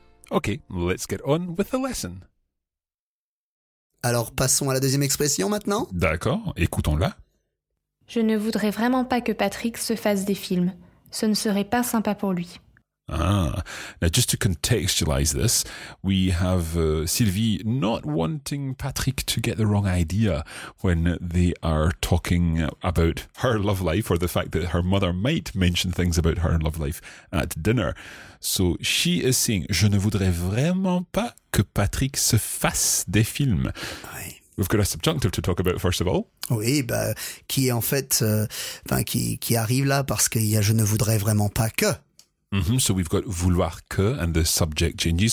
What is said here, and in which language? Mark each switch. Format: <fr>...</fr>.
<en>Okay, let's get on with the lesson.</en> <fr>Alors, passons à la deuxième expression maintenant. D'accord, écoutons-la. Je ne voudrais vraiment pas que Patrick se fasse des films. Ce ne serait pas sympa pour lui.</fr> <en>Ah, now just to contextualize this, we have Sylvie not wanting Patrick to get the wrong idea when they are talking about her love life or the fact that her mother might mention things about her love life at dinner. So she is saying,</en> <fr>je ne voudrais vraiment pas que Patrick se fasse des films. Oui.</fr> <en>We've got a subjunctive to talk about, first of all.</en> <fr>Oui, bah, qui est en fait, enfin, qui arrive là parce qu'il y a je ne voudrais vraiment pas que. Mm-hmm.</fr> <en>So we've got</en> <fr>vouloir que,</fr> <en>and the subject changes.</en>